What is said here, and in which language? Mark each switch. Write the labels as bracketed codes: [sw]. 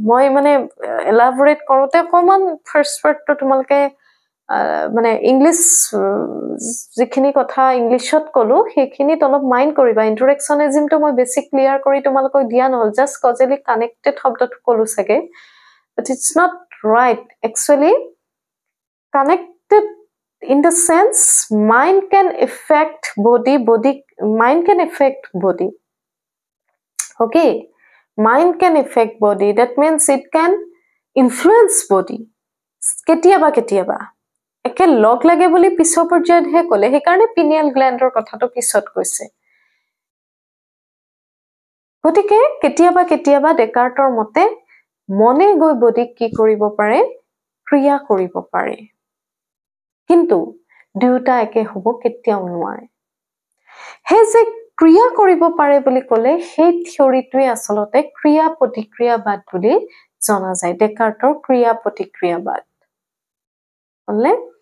[as] মই মানে এলাবৰেট কৰোঁতে অকণমান ফাৰ্ষ্ট ৱৰ্ডটো তোমালোকে মানে ইংলিছ যিখিনি কথা ইংলিছত ক'লোঁ সেইখিনিত অলপ মাইণ্ড কৰিবা, ইণ্টাৰেকশ্যনিজমটো মই বেছি ক্লিয়াৰ কৰি তোমালোকক দিয়া নহ'ল, জাষ্ট কজেলি কানেক্টেড শব্দটো ক'লোঁ চাগে, [en] But it's not right actually. Connected in the sense mind can affect body, body mind can affect body, okay, mind can affect body, that means it can influence body [as] কেতিয়াবা কেতিয়াবা, একে লগ লাগে বুলি পিছৰ পৰ্যায়তহে ক'লে, সেইকাৰণে পিনিয়েল গ্লেণ্ডৰ কথাটো পিছত কৈছে। গতিকে কেতিয়াবা কেতিয়াবা ডেকাৰ্টৰ মতে মনে গৈ বডিক কি কৰিব পাৰে, ক্ৰিয়া কৰিব পাৰে, কিন্তু দুয়োটা একে হ'ব কেতিয়াও নোৱাৰে। সেই যে ক্ৰিয়া কৰিব পাৰে বুলি ক'লে সেই থিয়ৰিটোৱে আচলতে ক্ৰিয়া প্ৰতিক্ৰিয়াবাদ বুলি জনা যায়, ডেকাৰ্টৰ ক্ৰিয়া প্ৰতিক্ৰিয়াবাদ। হ'লনে?